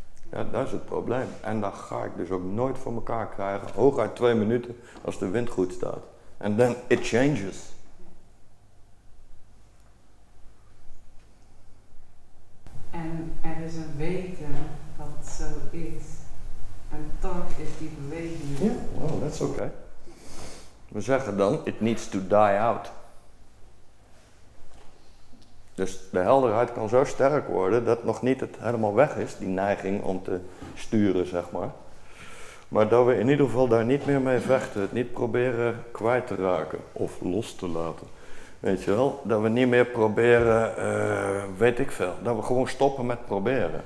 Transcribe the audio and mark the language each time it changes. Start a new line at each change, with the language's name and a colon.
Dutch: Ja, dat is het probleem. En dat ga ik dus ook nooit voor elkaar krijgen. Hooguit 2 minuten als de wind goed staat.
English: And then it changes.
Dutch: En er is een weten dat het zo is. En toch is die beweging.
English: Ja, yeah. Oh, that's okay.
Dutch: We zeggen dan,
English: it needs to die out.
Dutch: Dus de helderheid kan zo sterk worden dat nog niet het helemaal weg is, die neiging om te sturen, zeg maar. Maar dat we in ieder geval daar niet meer mee vechten, het niet proberen kwijt te raken of los te laten. Weet je wel, dat we niet meer proberen, weet ik veel, dat we gewoon stoppen met proberen.